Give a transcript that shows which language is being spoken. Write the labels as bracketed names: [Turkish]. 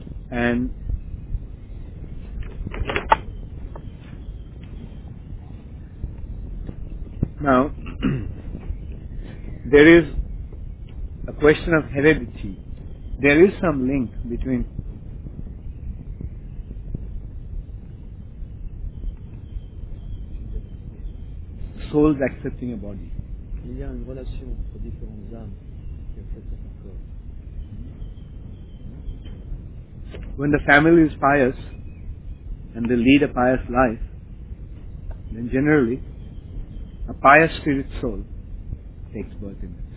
[English] and now there is a question of heredity. There is some link between souls accepting a body. [French] Il y a une relation entre différentes âmes. [English] When the family is pious and they lead a pious life, then generally a pious spirit soul takes birth in